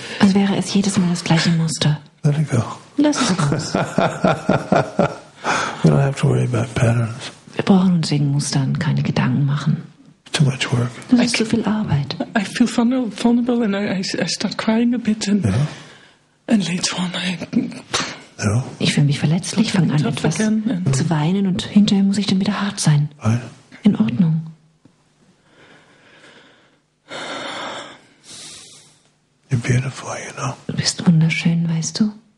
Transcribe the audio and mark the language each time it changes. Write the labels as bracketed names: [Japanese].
[German] Als wäre es jedes Mal das gleiche Muster. [English] Let it go. [German] Lass es los. [English] We don't have to worry about patterns. [German] Wir brauchen uns wegen Mustern keine Gedanken machen. [English] Too much work. [German] Das ist zu viel Arbeit. [English] I feel vulnerable and I start crying a bit and and later on I. [German] Ich fühle mich verletzlich, fange an etwas zu weinen und hinterher muss ich dann wieder hart sein. [English] Right. [German] In Ordnung. [English] You're beautiful, you know. [German] Du bist wunderschön, weißt du?